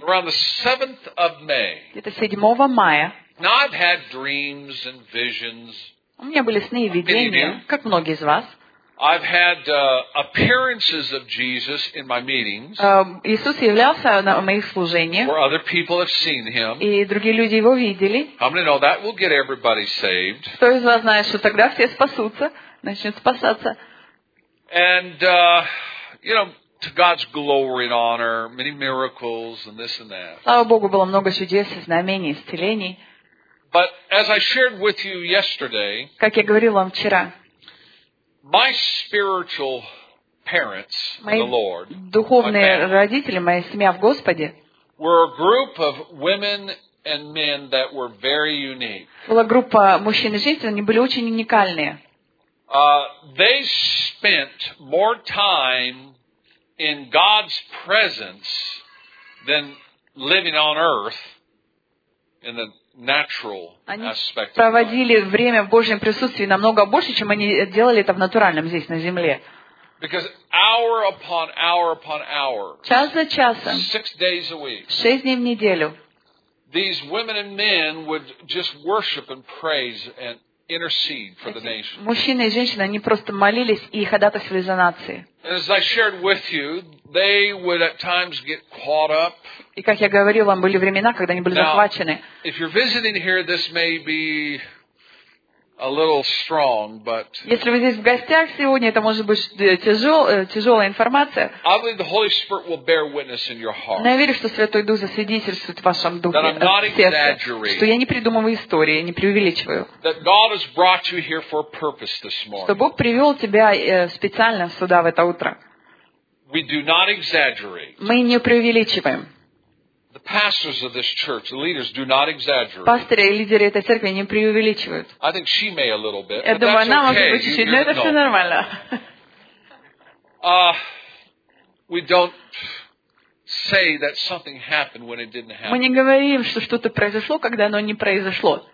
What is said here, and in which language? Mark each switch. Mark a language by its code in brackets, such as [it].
[en] Around the 7th of May. [ru] Где-то 7 мая. [en] Now I've had dreams and visions. [ru] У меня были сны и видения, как многие из вас. [en] I've had appearances of Jesus in my meetings. [ru] Иисус являлся на моих служениях. [en] Where other people have seen him. [ru] И другие люди его видели. [en] How many know that will get everybody saved? [ru] Кто из вас знает, что тогда все спасутся, начнут спасаться? [en] And, you know, to God's glory and honor, many miracles and this and that. [ru] Слава Богу, было много чудес, знамений, исцелений. [en] But as I shared with you yesterday, [ru] как я говорил вам вчера, [en] my spiritual parents in the Lord, [ru] духовные родители, моя семья в Господе, [en] were a group of women and men that were very unique. [ru] Была группа мужчин и женщин, они были очень уникальные. [en] They spent more time in God's presence than living on earth in the natural aspect. [ru] Они проводили время в Божьем присутствии намного больше, чем они делали это в натуральном здесь на земле. [en] Because hour upon hour upon hour. [ru] Час за часом. [en] 6 days a week. [ru] 6 дней в неделю. [en] These women and men would just worship and praise and intercede for the nation. [ru] Мужчины и женщины, они просто молились и ходатайствовали за нации. [en] As I shared with you, they would at times get caught up. [ru] И как я говорил вам, были времена, когда они были захвачены. [en] If you're visiting here, this may be a little strong, but. [ru] Если вы здесь в гостях сегодня, это может быть тяжелая информация. [en] I believe the Holy Spirit will bear witness in your heart. [ru] Но я верю, что Святой Дух засвидетельствует в вашем духе, в сердце, что я не придумываю истории, не преувеличиваю. [en] That God has brought you here for a purpose this morning. [ru] Что Бог привел тебя специально сюда в это утро. [en] We do not exaggerate. [ru] Мы не преувеличиваем. [en] The pastors of this church, the leaders, do not exaggerate. [ru] Пасторы и лидеры этой церкви не преувеличивают. [en] I think she may a little bit. [ru] Я думаю, она может быть чуть-чуть, но это все нормально. [en] We don't say that something happened when it didn't happen. [ru] Мы не говорим, что что-то произошло, когда оно не произошло.